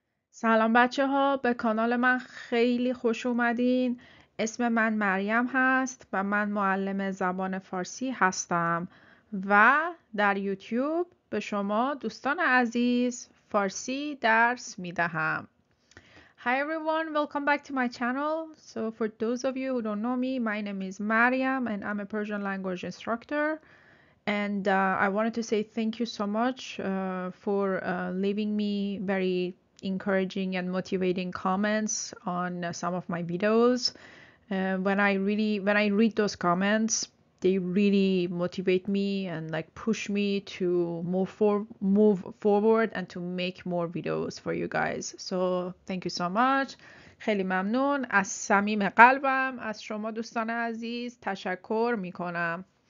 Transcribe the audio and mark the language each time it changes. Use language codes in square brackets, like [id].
[fa] سلام بچه ها، به کانال من خیلی خوش اومدین. اسم من مریم هست و من معلم زبان فارسی هستم و در یوتیوب به شما دوستان عزیز فارسی درس میدهم. [en] Hi everyone, welcome back to my channel. So for those of you who don't know me, my name is Mariam and I'm a Persian language instructor. And I wanted to say thank you so much for leaving me very encouraging and motivating comments on some of my videos. When I read those comments, they really motivate me and like push me to move forward and to make more videos for you guys. So thank you so much. [fa] خیلی ممنون از صمیم قلبم از شما دوستان عزیز تشکر میکنم.